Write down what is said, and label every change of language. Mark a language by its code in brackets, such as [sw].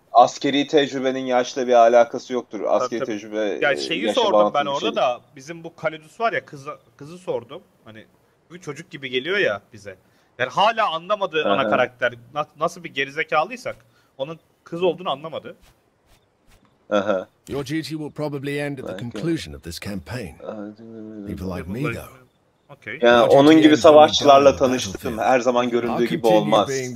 [tr] Askeri tecrübenin yaşla bir alakası yoktur. Askeri tabii, tecrübe yaşa bağlantılı. Şeyi sordum ben orada şeydi. Da bizim bu Kaledus var ya, kızı sordum. Hani bir çocuk gibi geliyor ya bize. Yani hala anlamadığı ana karakter. Nasıl bir gerizekalıysak onun kız olduğunu anlamadı. [en] Your duty will probably end at the conclusion of this campaign. People like me though. Okay. [tr] Yani onun gibi savaşçılarla tanıştım. Her zaman göründüğü gibi olmaz.